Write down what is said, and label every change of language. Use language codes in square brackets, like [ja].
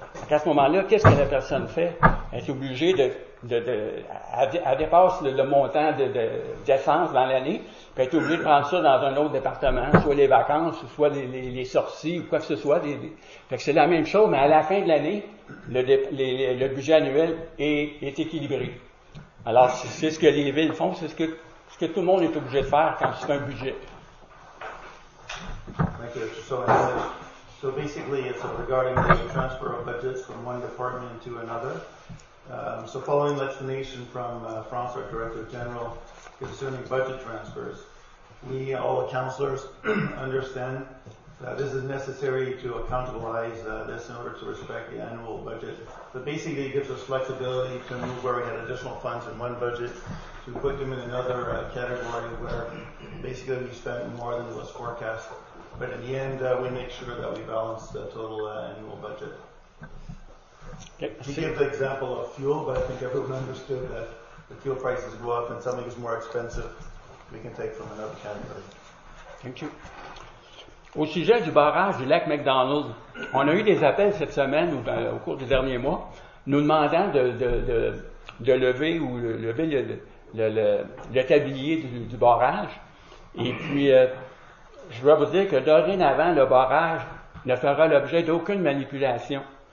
[fr] À ce moment-là, qu'est-ce que la personne fait? Elle est obligée elle dépasse le montant d'essence dans l'année, puis elle est obligée de prendre ça dans un autre département, soit les vacances, soit les sorties, ou quoi que ce soit. Fait que c'est la même chose, mais à la fin de l'année, le budget annuel est équilibré. Alors, c'est ce que les villes font, c'est ce que tout le monde est obligé de faire quand c'est un budget. [en] Thank you. So basically, it's regarding the transfer of budgets from one department to another. So following the explanation from France, our Director General, concerning budget transfers, we, all the councillors, understand that this is necessary to accountabilize this in order to respect the annual budget. But basically, it gives us flexibility to move where we had additional funds in one budget to put them in another category where basically we spent more than was forecast. But in the end, we make sure that we balance the total annual budget. Okay. To give the example of fuel, but I think everyone understood that the fuel prices go up and something is more expensive, we can take from another category. Thank you. [fr] Au sujet du barrage du lac McDonald, on a eu des appels cette semaine ou au cours des derniers mois, nous demandant de lever ou lever le tablier du barrage. Et puis, je dois vous dire que dorénavant, le barrage ne fera l'objet d'aucune manipulation.